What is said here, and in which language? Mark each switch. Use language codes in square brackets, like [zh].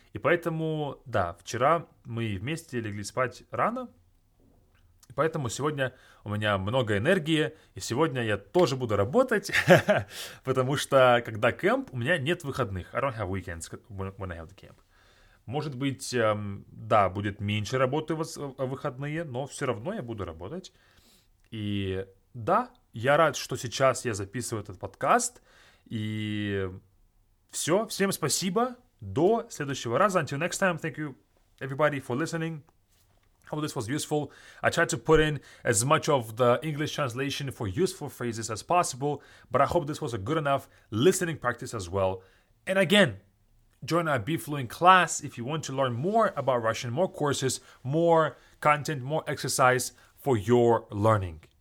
[ru] И поэтому, да, вчера мы вместе легли спать рано. И поэтому сегодня у меня много энергии, и сегодня я тоже буду работать, потому что когда кемп, у меня нет выходных. [en] I don't have weekends when I have the camp. [ru] Может быть, да, будет меньше работы в выходные, но все равно я буду работать. И да, я рад, что сейчас я записываю этот подкаст. И все, всем спасибо, до следующего раза. [en] Until next time, thank you everybody for listening. Hope this was useful. I tried to put in as much of the English translation for useful phrases as possible, but I hope this was a good enough listening practice as well. And again, join our BeFluent class if you want to learn more about Russian, more courses, more content, more exercise for your learning.